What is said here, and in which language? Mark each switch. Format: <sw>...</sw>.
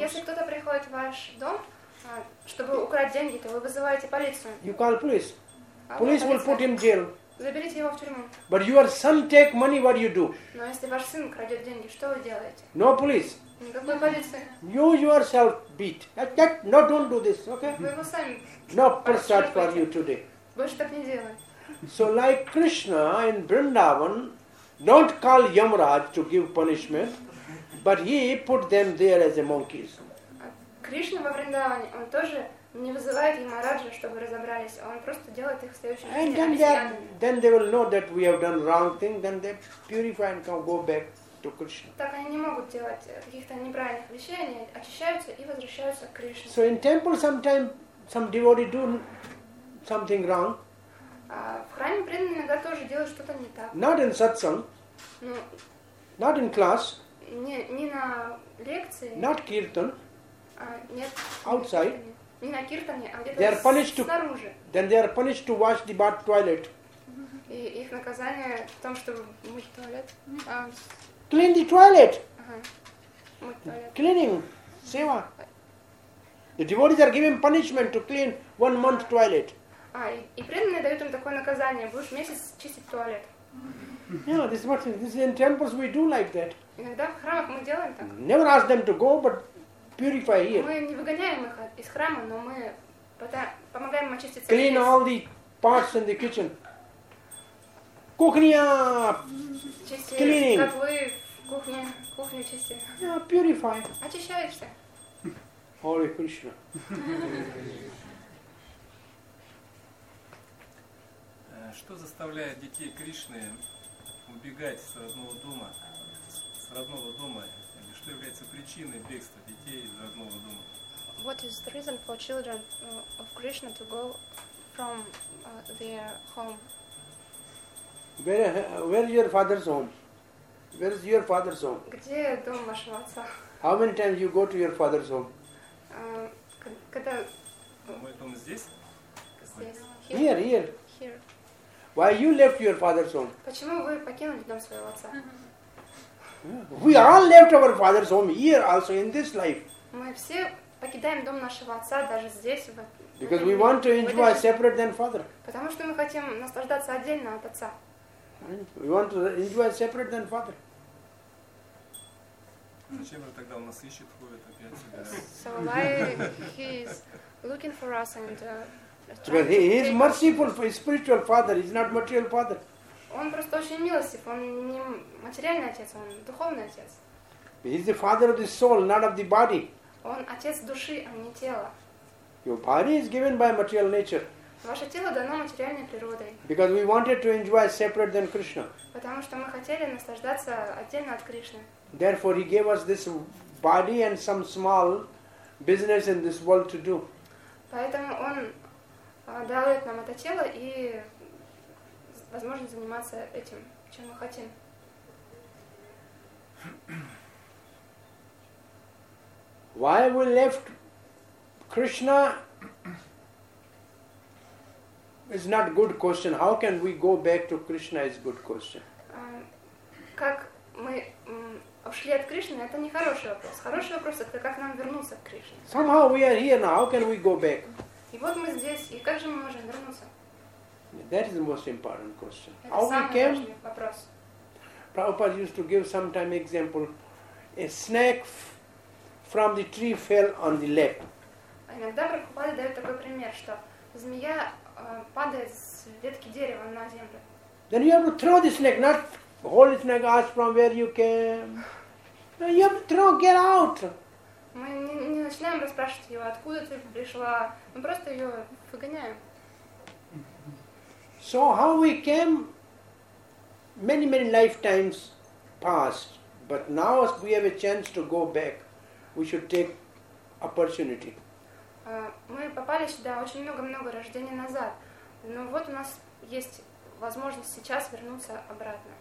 <ru>если кто-то приходит в ваш дом, чтобы украсть деньги, то вы вызываете полицию.</ru> <en>You call police. Police will put him in jail.</en> <ru>Заберите его в тюрьму.</ru> <en>But your son take money, what you do?</en> <ru>Но если ваш сын крадет деньги, что вы делаете?</ru> <en>No police.</en> <ru>Никакой полиции.</ru> <en>You yourself beat. That, no, don't do this, okay?</en> <ru>Вы его сами.</ru> <en>No prasad for you today.</en> <ru>Больше так не делай.</ru> <en>So like Krishna in Vrindavan, don't call Yamaraj to give punishment. But he put them there as a monkeys.</en> <ru>Кришна во Вриндаване, он тоже не вызывает Ямараджа, чтобы разобрались, он просто делает их следующим</ru> <en>And then they will know that we have done wrong thing, then they purify and go back to Krishna.</en> <ru>Так они не могут делать каких-то неправильных вещей, они очищаются и возвращаются к Кришне.</ru> <en>So in temple sometimes some devotee do something wrong.</en> <ru>В что-то не так.</ru> <en>Not in satsang. No. Not in class.</en> <ru>Не на лекции.</ru> <en>Not kirtan.</en> <ru>Нет.</ru> <en>Outside.</en> <ru>Не на киртане, а где-то снаружи.</ru> <en>Then they are punished to wash the bad toilet.</en> <ru>И их наказание в том, чтобы мыть туалет.</ru> <en>Clean the toilet. Uh-huh. Cleaning. Seva. The devotees are giving punishment to clean 1 month toilet.</en> <ru>И преданные дают им такое наказание. Будешь месяц чистить туалет.</ru> <en>Yeah, this is what this is in temples we do like that.</en> <ru>Иногда в храмах мы делаем так.</ru> <en>Never ask them to go, but purify here.</en> <ru>Мы не выгоняем их из храма, но мы помогаем им очиститься.</ru> <en>Clean all the parts in the kitchen.</en> <ru>Кухня! Чисти котлы, кухню чисти.</ru> <en>Yeah, purify.</en> <ru>Очищаешься.</ru> <en>Hare Krishna.</en> <ru>Что заставляет детей Кришны убегать с родного дома? С родного дома? Или что является причиной бегства детей из родного дома?</ru> <en>What is the reason for children of Krishna to go from their home? Where is your father's home? Where is your father's home?</en> <ru>Где дом вашего отца?</ru> <en>How many times you go to your father's home?</en> <ru>Когда мой дом здесь? Здесь.</ru> <en>Here. Here. Here. Why you left your father's home?</en> <ru>Почему вы покинули дом своего отца?</ru> <en>We all left our father's home here also in this life.</en> <ru>Мы все покидаем дом нашего отца даже здесь.</ru> <en>Because we want to enjoy separate than father.</en> <ru>Потому что мы хотим наслаждаться отдельно от отца.</ru> <en>We want to enjoy separate than father.</en> <ru>Зачем же тогда он нас ищет, ходит опять сюда?</ru> <en>So why he is looking for us and Because he is merciful for spiritual father, he is not material father.</en> <ru>Он просто очень милостив, он не материальный отец, он духовный отец.</ru> <en>He is the father of the soul, not of the body.</en> <ru>Он отец души, а не тела.</ru> <en>Your body is given by material nature.</en> <ru>Ваше тело дано материальной природой.</ru> <en>Because we wanted to enjoy separate than Krishna.</en> <ru>Потому что мы хотели наслаждаться отдельно от Кришны.</ru> <en>Therefore he gave us this body and some small business in this world to do.</en> <ru>Поэтому он дает нам это тело и возможность заниматься этим, чем мы хотим.</ru> <en>Why we left Krishna is not a good question. How can we go back to Krishna is a good question.</en> <ru>Как мы ушли от Кришны, это не хороший вопрос. Хороший вопрос это как нам вернуться к Кришне.</ru> <en>Somehow we are here now. How can we go back?</en> <ru>И вот мы здесь, и как же мы можем вернуться?</ru> <en>That is the most important question.</en> <ru>Это</ru> <en>How</en> <ru>самый</ru> <en>came?</en> <ru>Важный вопрос.</ru> <en>Prabhupada used to give sometime example. A snake from the tree fell on the lap.</en> <ru>Иногда Прабхупада дает такой пример, что змея падает с ветки дерева на землю.</ru> <en>Then you have to throw the snake, not hold the snake, ask from where you came. You have to throw, get out.</en> <ru>Мы не начинаем расспрашивать его, откуда ты пришла. Мы просто ее выгоняем.</ru> <en>So how we came, many lifetimes passed. But now we have a chance to go back. We should take opportunity.</en> <ru>Мы попали сюда очень много рождений назад. Но вот у нас есть возможность сейчас вернуться обратно.</ru>